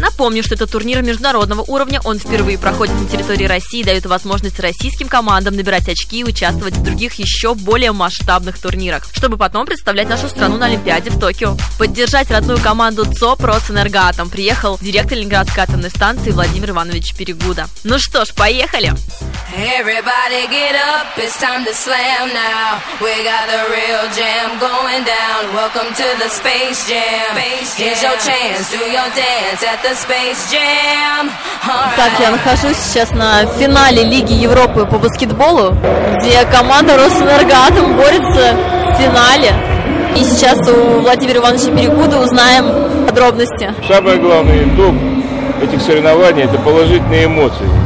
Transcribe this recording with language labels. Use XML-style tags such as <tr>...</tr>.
<ru>Напомню, что это турнир международного уровня, он впервые проходит на территории России и дает возможность российским командам набирать очки и участвовать в других еще более масштабных турнирах, чтобы потом представлять нашу страну на Олимпиаде в Токио. Поддержать родную команду ЦОП «Росэнергоатом» приехал директор Ленинградской атомной станции Владимир Иванович Перегуда. Ну что, поехали!</ru> <en>Everybody get up, it's time to slam now. We got a real jam going down. Welcome to the Space Jam. Here's your chance, do your dance at the Space Jam.</en> <ru>Так, я нахожусь сейчас на финале Лиги Европы по баскетболу, где команда «Росэнергоатом» борется в финале. И сейчас у Владимира Ивановича Перегуды узнаем подробности. Самое главное, итог этих соревнований – это положительные эмоции.</ru>